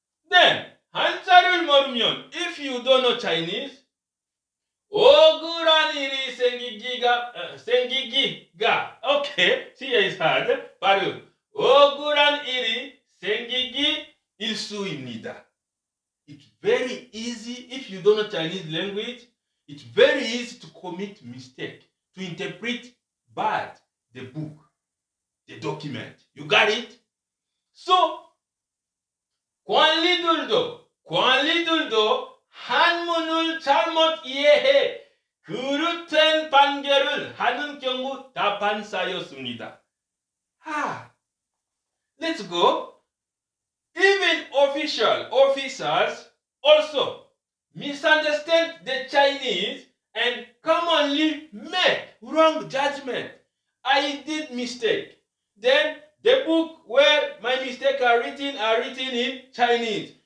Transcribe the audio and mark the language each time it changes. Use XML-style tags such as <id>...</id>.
<ko>Then, 한자를 모르면,</ko> <en>if you don't know Chinese,</en> <ko>억울한 일이 생기기가,</ko> <en>okay, see, it's hard,</en> <ko>바로, 억울한 일이 생기기 일수입니다.</ko> <en>It's very easy, if you don't know Chinese language, it's very easy to commit mistake, to interpret bad the book, the document. You got it?</en> <ko>So, 관리들도 한문을 잘못 이해해 그릇된 판결을 하는 경우 다반사였습니다.</ko> <en>Let's go. Even offi- official officers also misunderstand the Chinese and commonly make wrong judgment. I did mistake. Then the book where my mistake are written in Chinese.</en>